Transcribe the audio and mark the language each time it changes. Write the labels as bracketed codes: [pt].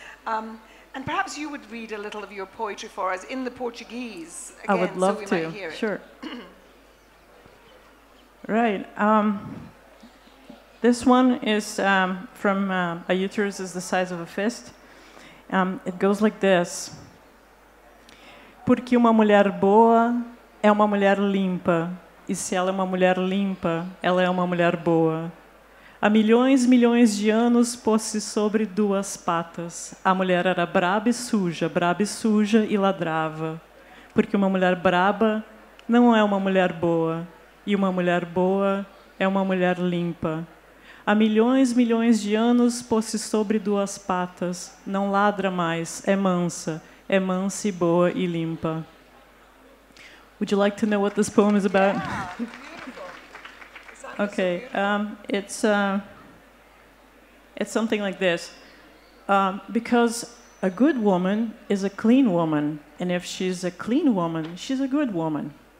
[en] And perhaps you would read a little of your poetry for us in the Portuguese, again, I would love so we to. Might hear it. Sure. Right. This one is from A Uterus is the Size of a Fist. It goes like this. [pt] Porque uma mulher boa é uma mulher limpa. E se ela é uma mulher limpa, ela é uma mulher boa. Há milhões e milhões de anos pôs-se sobre duas patas. A mulher era braba e suja e ladrava. Porque uma mulher braba não é uma mulher boa. E uma mulher boa é uma mulher limpa. Há milhões e milhões de anos pôs-se sobre duas patas. Não ladra mais, é mansa e boa e limpa. [en] Would you like to know what this poem is about? Yeah, okay, so it's something like this. Because a good woman is a clean woman, and if she's a clean woman, she's a good woman.